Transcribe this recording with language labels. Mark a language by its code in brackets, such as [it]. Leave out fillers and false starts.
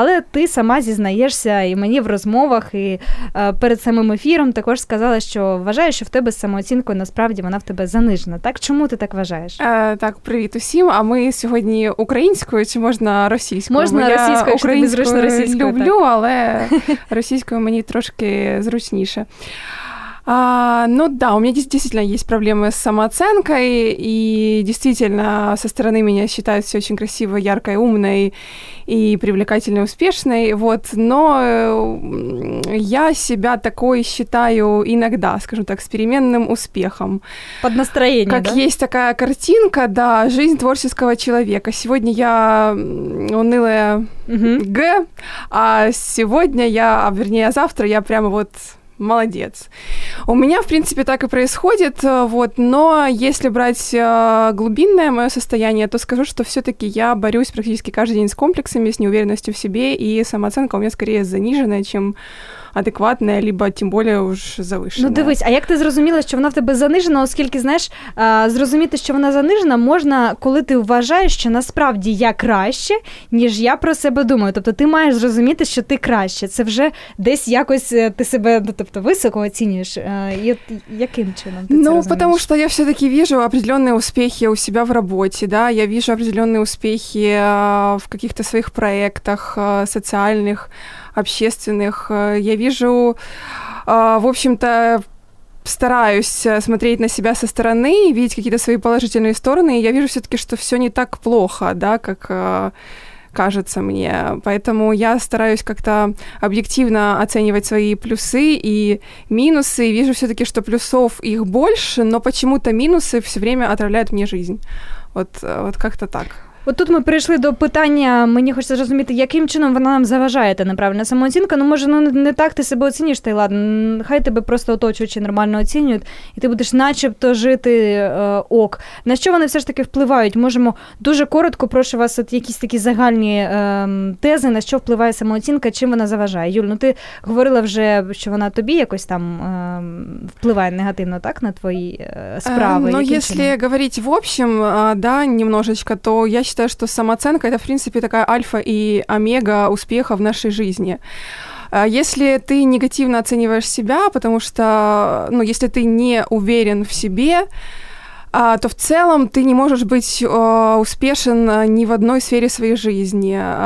[uk] Але ти сама зізнаєшся і мені в розмовах, і перед самим ефіром також сказала, що вважаю, що в тебе з самооцінкою насправді вона в тебе занижена. Так, чому ти так вважаєш? Так, привіт усім. А ми сьогодні українською чи можна російською? Можна російською, якщо тобі зручно російською. Люблю, так. Але російською мені трошки зручніше. [ru] Ну, да, у меня действительно есть проблемы с самооценкой, и действительно со стороны меня считают все очень красивой, яркой, умной и привлекательной, успешной, вот, но я себя такой считаю иногда, скажем так, с переменным успехом. Под настроение, как да? Как есть такая картинка, да, жизнь творческого человека. Сегодня я унылая Г, а сегодня я, а вернее, завтра я прямо вот... Молодец. У меня, в принципе, так и происходит, вот, но если брать глубинное мое состояние, то скажу, что все-таки я борюсь практически каждый день с комплексами, с неуверенностью в себе, и самооценка у меня скорее заниженная, чем адекватная, либо тем более уж завышенная. [uk] Ну, дивись, а як ти зрозуміла, що вона в тебе занижена, оскільки, знаєш, зрозуміти, що вона занижена, можна, коли ти вважаєш, що насправді я краще, ніж я про себе думаю. Тобто ти маєш зрозуміти, що ти краще. Це вже десь якось ти себе, ну, тобто, високо оцінюєш. І от яким чином ти це розумієш? [ru] Ну, потому что я все-таки вижу определенные успехи у себя в работе, да, я вижу определенные успехи в каких-то своих проектах социальных, общественных. Я вижу, в общем-то, стараюсь смотреть на себя со стороны, видеть какие-то свои положительные стороны, и я вижу все-таки, что все не так плохо, да, как кажется мне. Поэтому я стараюсь как-то объективно оценивать свои плюсы и минусы, и вижу все-таки, что плюсов их больше, но почему-то минусы все время отравляют мне жизнь. Вот как-то так. [uk] От тут ми перейшли до питання, мені хочеться зрозуміти, яким чином вона нам заважає, та неправильна самооцінка. Ну, може, ну не так ти себе оцінюєш, та й ладно, хай тебе просто оточуючи нормально оцінюють, і ти будеш начебто жити ок. На що вони все ж таки впливають? Можемо дуже коротко, прошу вас, от якісь такі загальні тези, на що впливає самооцінка, чим вона заважає. Юль, ну ти говорила вже, що вона тобі якось там впливає негативно, так, на твої справи? Ну, якщо говорити [ru] в общем, да, немножечко, то я считаю, что самооценка – это, в принципе, такая альфа и омега успеха в нашей жизни. Если ты негативно оцениваешь себя, потому что, ну, если ты не уверен в себе, то в целом ты не можешь быть успешен ни в одной сфере своей жизни.